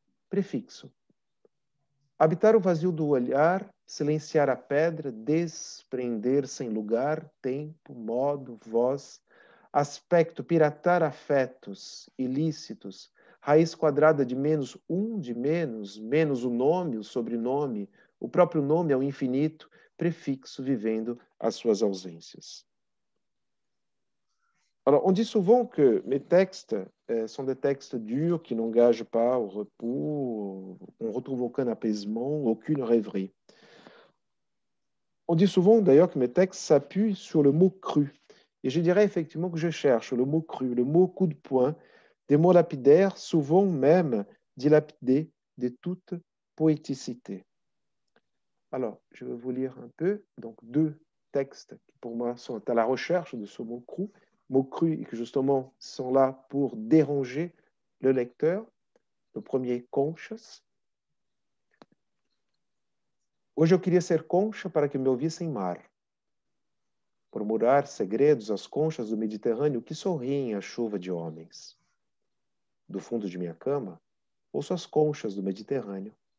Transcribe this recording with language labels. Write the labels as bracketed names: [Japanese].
[Portuguese] Prefixo. Habitar o vazio do olhar, silenciar a pedra, desprender sem lugar, tempo, modo, voz, aspecto, piratar afetos ilícitos, raiz quadrada de menos um, de menos, menos o nome, o sobrenome. O próprio nome é o infinito, prefixo vivendo as suas ausências. [French] Alors, on dit souvent que mes textes sont des textes durs qui n'engagent pas au repos, on retrouve aucun apaisement, aucune rêverie. On dit souvent d'ailleurs que mes textes s'appuient sur le mot cru. Et je dirais effectivement que je cherche le mot cru, le mot coup de poing, des mots lapidaires, souvent même dilapidés de toute poéticité. Alors, je vais vous lire un peu, donc deux textes qui pour moi sont à la recherche de ce mot cru et qui justement sont là pour déranger le lecteur. Le premier, Conchas. [Portuguese] Hoje eu queria ser concha para que me ouvissem mar. Por murmurar segredos às conchas do Mediterrâneo que sorriem à chuva de homens. Do fundo de minha cama, ouço as conchas do Mediterrâneo.